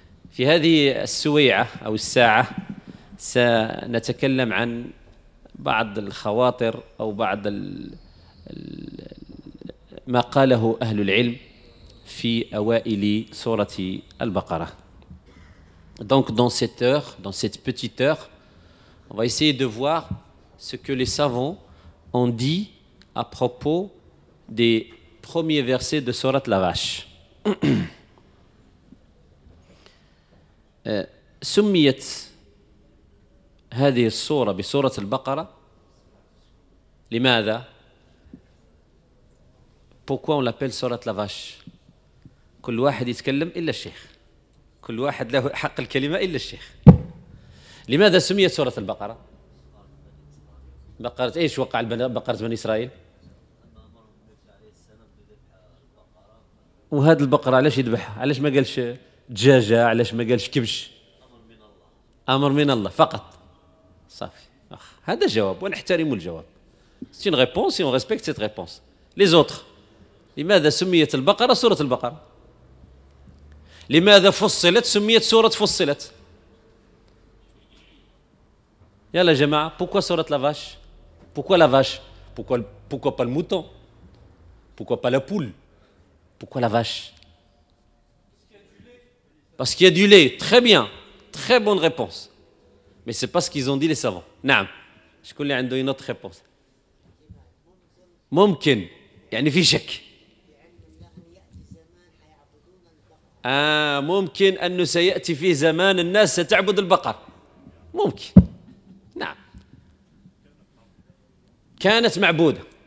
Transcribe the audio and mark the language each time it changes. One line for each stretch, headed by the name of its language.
Arabic: في هذه السويعة أو الساعة، سنتكلم عن بعض الخواطر أو بعض ما قاله أهل العلم في أوائل سورة البقرة.
French: Donc dans cette heure, dans cette petite heure, on va essayer de voir ce que les savants ont dit à propos des premiers versets de Sourate la Vache.
Arabic: سميت هذه السورة بسورة البقرة لماذا؟
French: Pourquoi on l'appelle Sourate la Vache؟
Arabic: كل واحد يتكلم إلا الشيخ. كل واحد له حق الكلمة إلا الشيخ. لماذا سميت سورة البقرة؟ بقرة إيش وقع بقرة بني إسرائيل؟ وهذه البقرة علاش يذبحها؟ علاش ما قالش دجاجة؟ علاش ما قالش كبش؟ أمر من الله فقط. صافي. هذا جواب ونحترم الجواب.
French: C'est une réponse et on respecte cette réponse. Les autres.
Arabic: لماذا سميت البقرة سورة البقرة؟ لماذا فصلت سميت سورة فصلت؟ يلا جماعة،
French: pourquoi سورة la vache؟ pourquoi la vache؟ pourquoi pas le mouton؟ pourquoi pas la poule؟ pourquoi la vache؟ parce qu'il y a du lait. très bien، très bonne réponse. mais c'est pas ce qu'ils ont dit les savants.
Arabic: نعم، شكون اللي عنده
French: une autre réponse؟
Arabic: ممكن، يعني في شك. ممكن أنه سيأتي فيه زمان الناس ستعبد البقر، ممكن. نعم، كانت معبودة